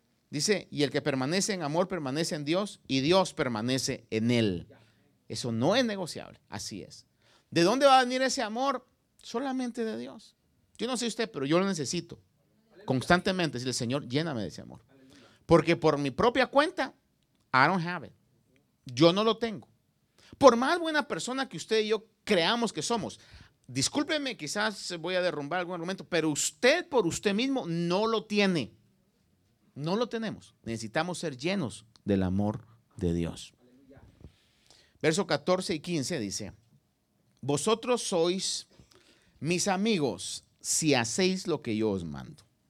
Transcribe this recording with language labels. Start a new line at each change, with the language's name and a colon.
Spanish: Dice, y el que permanece en amor permanece en Dios y Dios permanece en él. Eso no es negociable, así es. ¿De dónde va a venir ese amor? Solamente de Dios. Yo no sé usted, pero yo lo necesito constantemente. Dice el Señor, lléname de ese amor. Porque por mi propia cuenta,
English: I don't have it.
Spanish: Yo no lo tengo. Por más buena persona que usted y yo creamos que somos, discúlpeme, quizás voy a derrumbar algún argumento, pero usted por usted mismo no lo tiene. No lo tenemos. Necesitamos ser llenos del amor de Dios. Verso 14 y 15 dice: vosotros sois mis amigos si hacéis lo que yo os mando.